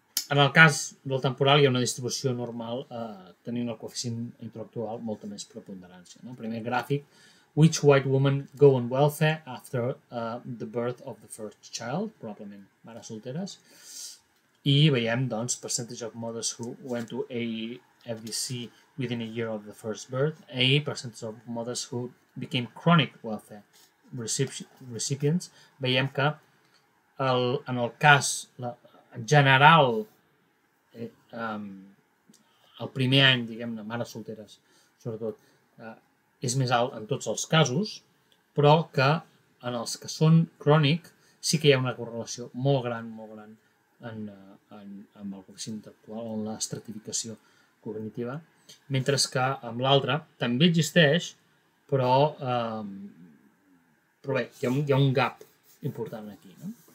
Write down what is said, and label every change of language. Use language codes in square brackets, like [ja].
[ca] En el cas del temporal hi ha una distribució normal tenint el coeficient intel·lectual molta més preponderància. No? Primer gràfic. [en] Which white woman go on welfare after the birth of the first child? [ca] Probablement mares solteres. I veiem, doncs, [en] percentage of mothers who went to AFDC within a year of the first birth. A percentage of mothers who became chronic welfare recipients. [ca] Veiem que el primer any, diguem-ne, mares solteres, sobretot, és més alt en tots els casos, però que en els que són crònic sí que hi ha una correlació molt gran en el coeficient intel·lectual, en l'estratificació cognitiva, mentre que amb l'altre també existeix, però bé, hi ha un gap important aquí, no?